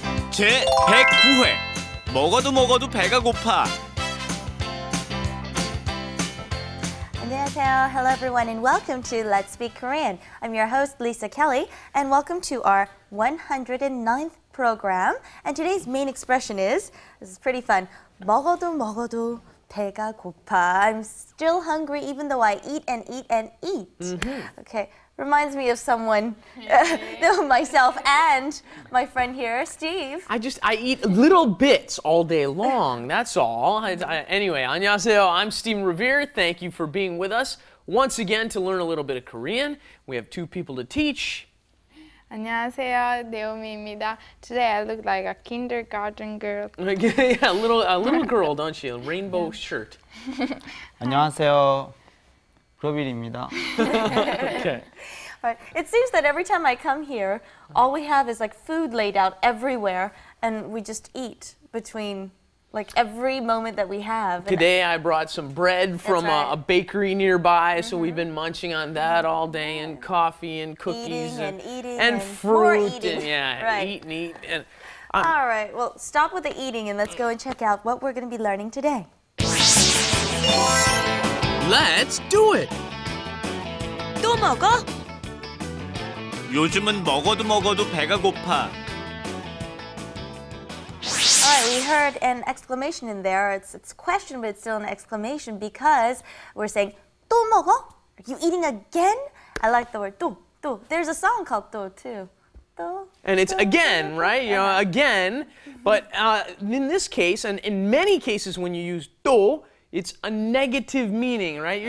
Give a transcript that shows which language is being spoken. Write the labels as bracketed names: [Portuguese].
[Korean] J109회 먹어도 먹어도 배가 고파 안녕하세요. [English] Hello everyone and welcome to Let's Speak Korean. I'm your host Lisa Kelly and welcome to our 109th program. And today's main expression is, this is pretty fun, [Korean] 먹어도 먹어도 배가 고파. [English] I'm still hungry even though I eat and eat and eat. Mm-hmm. Okay, reminds me of someone, myself and my friend here, Steve. I eat little bits all day long, that's all. Anyway, [Korean] 안녕하세요, [English] I'm Steve Revere. Thank you for being with us once again to learn a little bit of Korean. We have two people to teach. [Korean] 안녕하세요, 네오미입니다. [English] Today I look like a kindergarten girl. Yeah, a little girl, don't you? Rainbow shirt. [Korean] 안녕하세요, 로빌입니다. [English] Okay. It seems that every time I come here, all we have is like food laid out everywhere, and we just eat between like every moment that we have. Today I brought some bread from a bakery nearby, mm-hmm. so we've been munching on that all day, and coffee and cookies eating and fruit. All right, well, stop with the eating and let's go and check out what we're going to be learning today. Let's do it. [Korean] 또 먹어? 요즘은 먹어도 먹어도 배가 고파. [English] Alright, we heard an exclamation in there. It's a question, but it's still an exclamation because we're saying, [Korean] 또 먹어? [English] Are you eating again? I like the word 또, 또. There's a song called 또, too. 또. And it's 또, again, 또, right? 또. You know, again. Mm-hmm. But in this case, and in many cases when you use 또, it's a negative meaning, right?